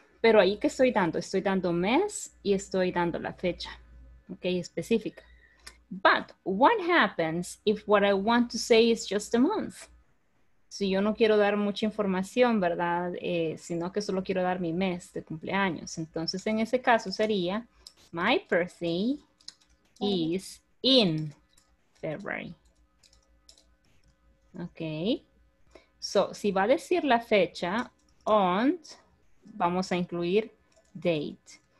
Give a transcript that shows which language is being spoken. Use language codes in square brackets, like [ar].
[es] Pero ahí que estoy dando, estoy dando mes y estoy dando la fecha, okay, específica. [en] But what happens if what I want to say is just a month? [es] Si yo no quiero dar mucha información, ¿verdad? Sino que solo quiero dar mi mes de cumpleaños. Entonces, en ese caso sería, my birthday is in February. Okay. So, si va a decir la fecha, on, vamos a incluir date.